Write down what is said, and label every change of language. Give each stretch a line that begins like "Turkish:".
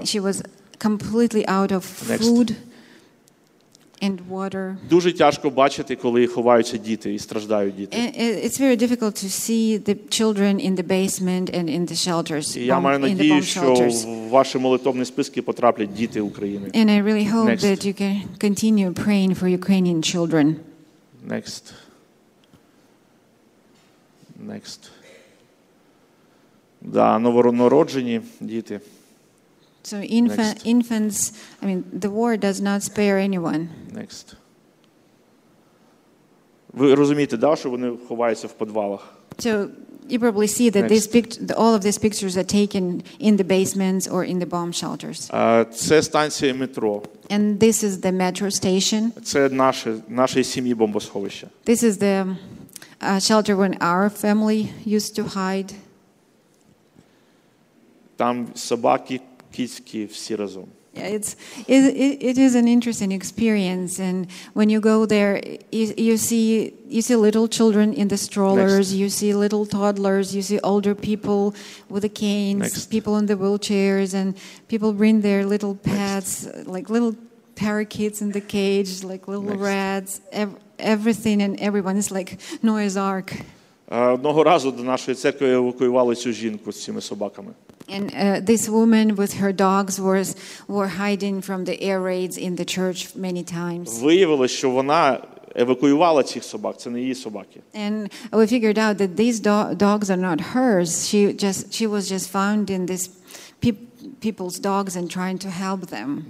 English: She was completely out of food. And water.
Ukrainian: Дуже тяжко бачити, коли ховаються діти і страждають діти.
English: It's very difficult to see the children in the basement and in the shelters.
Ukrainian: Я маю надію, що в ваші молитовні списки потраплять діти України.
English: And I really hope that you can continue praying for Ukrainian children. Next.
Ukrainian: Да, новонароджені діти.
English: So infants, I mean, the war does not spare anyone. Next.
Ukrainian: Ви розумієте, да, що вони ховаються в підвалах?
English: So You probably see that all of these pictures are taken in the basements or in the bomb shelters.
Ukrainian: Це станція метро.
English: And this is the metro station.
Ukrainian: Це нашої сім'ї бомбосховище.
English: This is the shelter when our family used to hide.
Ukrainian: Там собаки, кіцькі всі разом.
English: It is an interesting experience, and when you go there, you see little children in the strollers, Next. You see little toddlers, you see older people with the canes, Next. People in the wheelchairs, and people bring their little pets, Next. Like little parakeets in the cage, like little Next. Rats, everything and everyone is like Noah's Ark.
Ukrainian: Одного разу до нашої церкви евакуювали цю жінку з цими собаками.
English: And this woman with her dogs were hiding from the air raids in the church many times.
Ukrainian: Виявилось, що вона евакуювала цих собак, це не її собаки.
English: And we figured out that these dogs are not hers. She was just found in this people's dogs and trying to help them.